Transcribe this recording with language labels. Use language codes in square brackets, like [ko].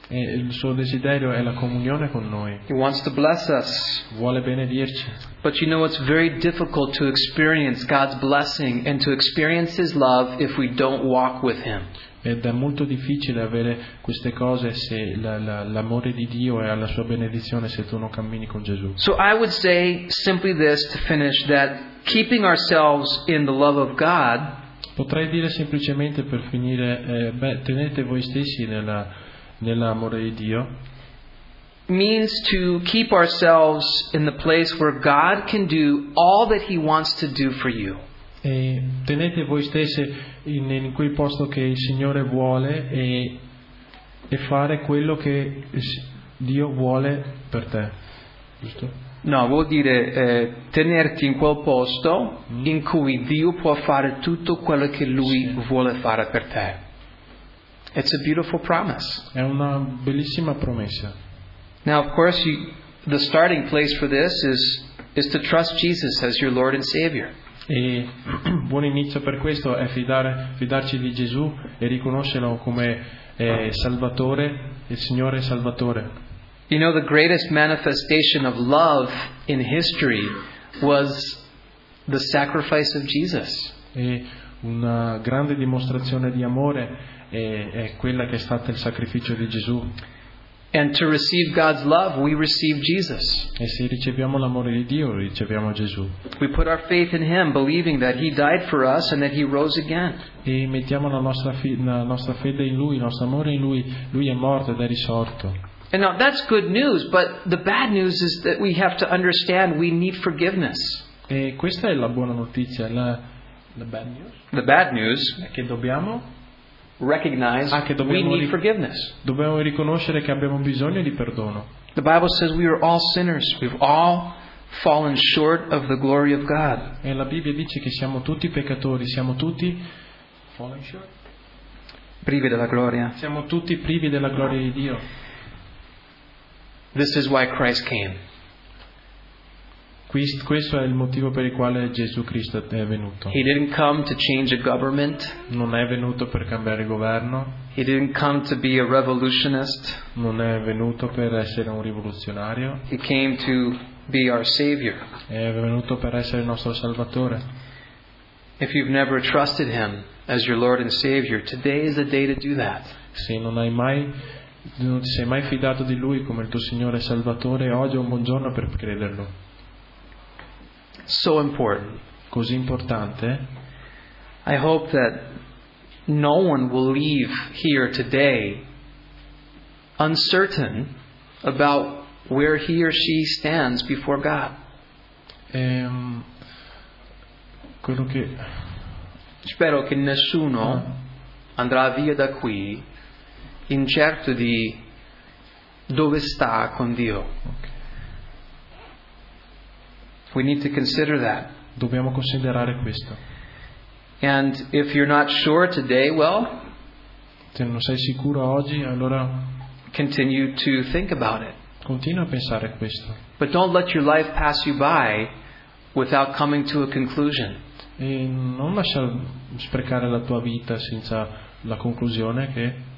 [it] E il suo desiderio è la comunione con noi. [en] He wants to bless us. [it] Vuole benedirci. [en] But you know it's very difficult to experience God's blessing and to experience his love if we don't walk with him. [it] Ed è molto difficile avere queste cose se l'amore di Dio è alla sua benedizione se tu non cammini con Gesù. [en] So I would say simply this to finish that keeping ourselves in the love of God. [it] Potrei dire semplicemente per finire, tenete voi stessi nell'amore di Dio. [en] Means to keep ourselves in the place where God can do all that He wants to do for you. [it] E tenete voi stessi in quel posto che il Signore vuole e fare quello che Dio vuole per te, giusto? No, vuol dire tenerti in quel posto in cui Dio può fare tutto quello che Lui vuole fare per te. [en] It's a beautiful promise. [it] È una bellissima promessa. [en] Now, of course, the starting place for this is to trust Jesus as your Lord and Savior. [it] E buon inizio per questo è fidarci di Gesù e riconoscerlo come Salvatore, il Signore e Salvatore. [en] You know, the greatest manifestation of love in history was the sacrifice of Jesus. [it] E una grande dimostrazione di amore è quella che è stata il sacrificio di Gesù. [en] And to receive God's love, we receive Jesus. [it] E se riceviamo l'amore di Dio, riceviamo Gesù. [en] We put our faith in Him, believing that He died for us and that He rose again. [it] E mettiamo la nostra fede in Lui, il nostro amore in Lui. Lui è morto ed è risorto. [en] And now that's good news, but the bad news is that we have to understand we need forgiveness. [it] E questa è la buona notizia, la [en] bad news. The bad news [it] è che dobbiamo [en] recognize [it] che dobbiamo [en] we need forgiveness. [it] Dobbiamo riconoscere che abbiamo bisogno di perdono. [en] The Bible says we are all sinners. We've all fallen short of the glory of God. [it] E la Bibbia dice che siamo tutti peccatori, siamo tutti [en] fallen short. [it] Privi della gloria. Siamo tutti privi della gloria di Dio. [en] This is why Christ came. [it] Questo è il motivo per il quale Gesù Cristo è venuto. [en] He didn't come to change a government. [it] Non è venuto per cambiare il governo. [en] He didn't come to be a revolutionist. [it] Non è venuto per essere un rivoluzionario. [en] He came to be our savior. [it] È venuto per essere il nostro salvatore. [en] If you've never trusted him as your Lord and Savior, today is the day to do that. [it] Se non hai mai non ti sei mai fidato di Lui come il tuo Signore e Salvatore, oggi è un buon giorno per crederlo. [en] So important. [it] Così importante. [en] I hope that no one will leave here today uncertain about where he or she stands before God. [it] Quello che spero che nessuno andrà via da qui incerto di dove sta con Dio. [en] Okay. We need to consider that. [it] Dobbiamo considerare questo. [en] And if you're not sure today, well, [it] se non sei sicuro oggi, allora [en] continue to think about it. [it] Continua a pensare a questo. [en] But don't let your life pass you by without coming to a conclusion. [it] E non lascia sprecare la tua vita senza la conclusione che